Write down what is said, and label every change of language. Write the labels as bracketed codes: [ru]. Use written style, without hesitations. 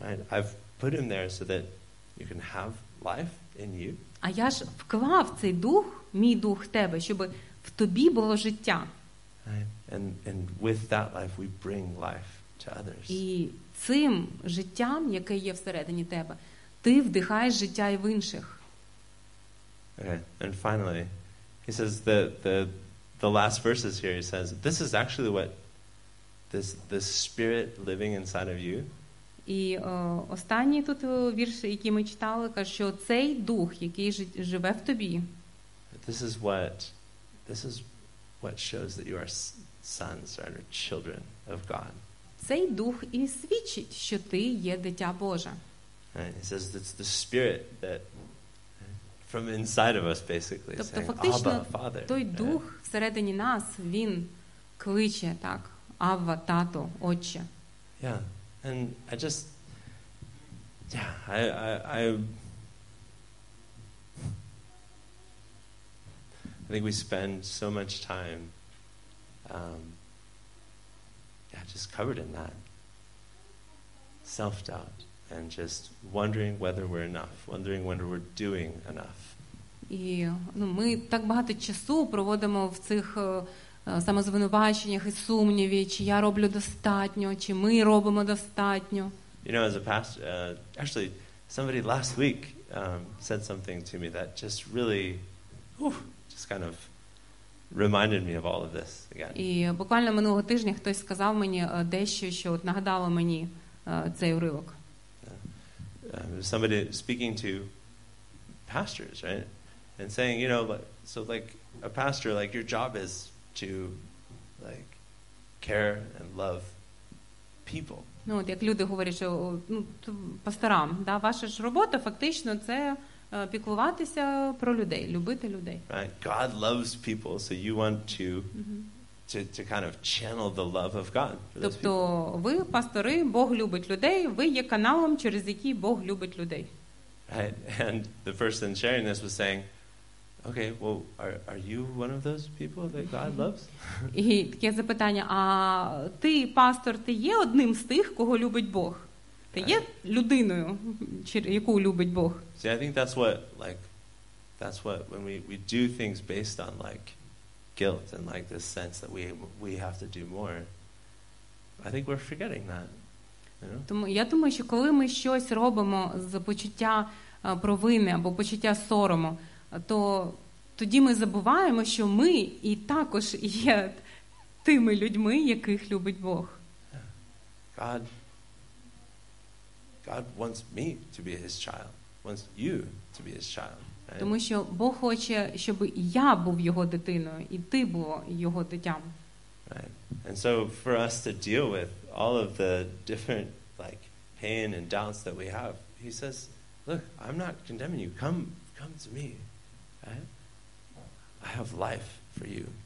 [en] I've put him there so that you can have life in you. [uk] А я ж вклав цей дух, мій дух в тебе, щоб в тобі було життя. [en] And with that life we bring life to others. [uk] І цим життям, яке є всередині тебе, ти вдихаєш життя і в інших. [en] Okay. And finally, he says the last verses here, he says, this is actually what this spirit living inside of you. [uk] І останній тут вірш, який ми читали, каже, що цей дух, який живе в тобі. [en] This is what shows that you are sons or children of God. [uk] Цей дух і свідчить, що ти є дитя Боже. [en] It says it's the spirit that from inside of us basically. [uk] Тобто [en] saying, [uk] фактично [en] Abba, Father, [uk] той дух всередині нас, він кличе так: Авва, тато, отче. [en] Yeah. And I just, I think we spend so much time, just covered in that self-doubt and just wondering whether we're enough, wondering whether we're doing enough. [uk] І ну ми так багато часу проводимо в цих самозвинуваченнях і сумніві, чи я роблю достатньо, чи ми робимо достатньо. [en] You know, as a pastor, actually, somebody last week said something to me that just really, just kind of reminded me of all of this again. [uk] І буквально минулого тижня хтось сказав мені дещо, що от нагадало мені цей уривок. [en] Somebody speaking to pastors, right? And saying, you know, so like a pastor, like your job is to like care and love people. [uk] Ну, як люди говорять, що ну, пасторам, да, ваша ж робота фактично це піклуватися про людей, любити людей. [en] Right? God loves people, so you want to to kind of channel the love of God. [uk] Тобто ви пастори, Бог любить людей, ви є каналом, через який Бог любить людей. [en] Right? And the person sharing this was saying, okay, well, are you one of those people that God loves? [uk] І таке запитання: а ти, пастор, ти є одним з тих, кого любить Бог? Ти є людиною, яку любить Бог? [en] See, I think that's what, like, that's what, when we do things based on, like, guilt and, like, this sense that we have to do more, I think we're forgetting that. [uk] Тому я думаю, що коли ми щось робимо з почуття провини або почуття сорому, то тоді ми забуваємо, що ми і також є тими людьми, яких любить Бог. [en] God wants me to be his child. Wants you to be his child. Right? [uk] Тому що Бог хоче, щоб я був його дитиною і ти був його дитям. [en] Right. And so for us to deal with all of the different like pain and doubts that we have, he says, look, I'm not condemning you. Come to me. I have life for you.